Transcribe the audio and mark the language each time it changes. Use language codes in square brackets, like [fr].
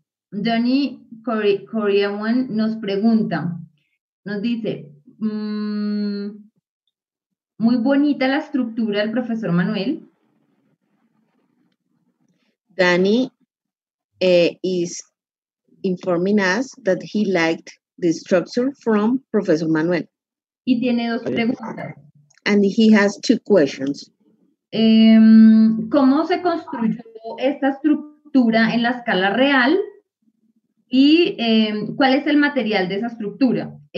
[es] Doni Kurniawan nos pregunta, nos dice, muy bonita la estructura del Profesor Manuel. [en] Doni is informing us that he liked the structure from Professor Manuel. [es] Y tiene dos preguntas. [en] And he has two questions. [es] ¿Cómo se construyó esta estructura en la escala real? Y ¿cuál es el material de esa estructura?